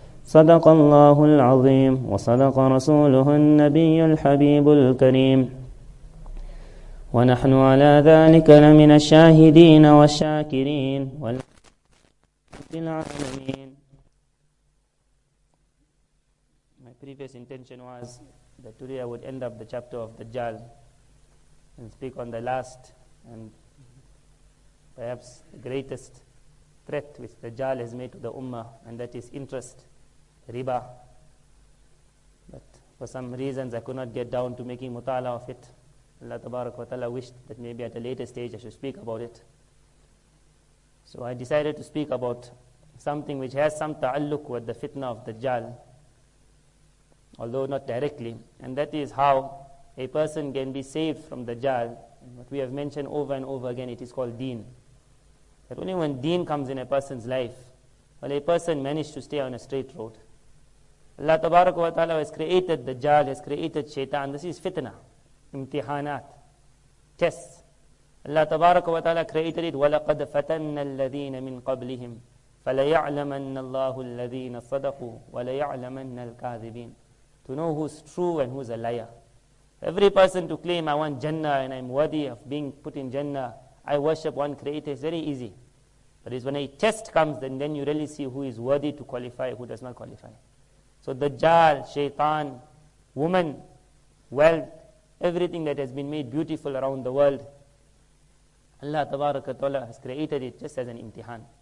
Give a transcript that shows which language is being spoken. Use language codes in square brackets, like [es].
[ar] صدق الله العظيم وصدق رسوله النبي الحبيب الكريم، ونحن على ذلك لمن الشاهدين والشاكرين والحمد للعالمين. [en] My previous intention was that today I would end up the chapter of Dajjal and speak on the last and perhaps the greatest threat which Dajjal has made to the Ummah, and that is interest, riba. But for some reasons I could not get down to making mutala of it. Allah tabarak wa ta'ala wished that maybe at a later stage I should speak about it. So I decided to speak about something which has some ta'alluq with the fitna of Dajjal, although not directly, and that is how a person can be saved from Dajjal. What we have mentioned over and over again, it is called deen. That only when deen comes in a person's life will a person manage to stay on a straight road. Allah tabarak wa ta'ala has created Dajjal, has created Shaitan. This is fitna, imtihanat, tests. Allah tabarak wa ta'ala created it. [ar] وَلَقَدْ فَتَنَّ الَّذِينَ مِنْ قَبْلِهِمْ فَلَيَعْلَمَنَّ اللَّهُ الَّذِينَ صَدَقُوا وَلَيَعْلَمَنَّ الْكَاذِبِينَ. [en] To know who's true and who's a liar. Every person to claim, I want Jannah and I'm worthy of being put in Jannah, I worship one creator, is very easy. But it's when a test comes, then you really see who is worthy to qualify, who does not qualify. So Dajjal, Shaitan, woman, wealth, everything that has been made beautiful around the world, Allah tabaraka ta'ala has created it just as an imtihan.